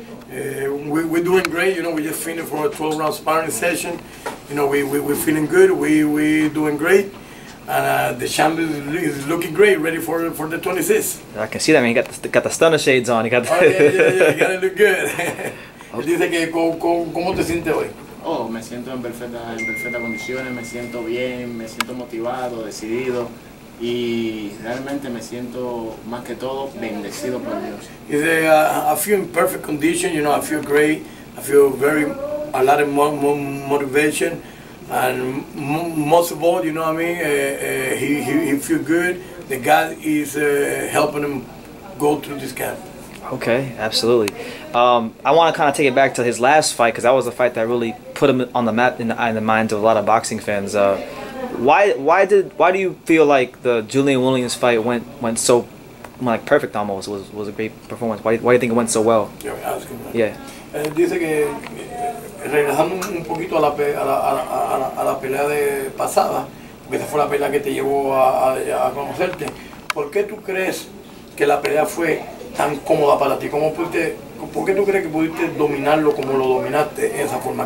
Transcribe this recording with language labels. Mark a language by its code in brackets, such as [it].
[en] We're doing great. You know, we just finished for a 12-round sparring session. You know, we're feeling good. We're doing great. The champ is looking great, ready for the 26th. I can see that, man. You got the stunner shades on. You got to look good. [es] Dice que ¿cómo te sientes hoy? Oh, me siento en perfectas condiciones, me siento bien, me siento motivado, decidido y realmente me siento más que todo bendecido por Dios. [en] Dice, I feel in perfect condition, you know, I feel great, I feel very, a lot of motivation and most of all, you know what I mean, he feel good that God is helping him go through this camp. Okay, absolutely. I want to kind of take it back to his last fight because that was the fight that really put him on the map in the minds of a lot of boxing fans. Why do you feel like the Julian Williams fight went so like perfect almost was a great performance? Why do you think it went so well? Yeah. [es] Dice que regresando un poquito a la pelea de pasada, esa fue la pelea que te llevó a conocerte. ¿Por qué tú crees que la pelea fue tan cómoda para ti? ¿Cómo pudiste, por qué tú crees que pudiste dominarlo como lo dominaste en esa forma?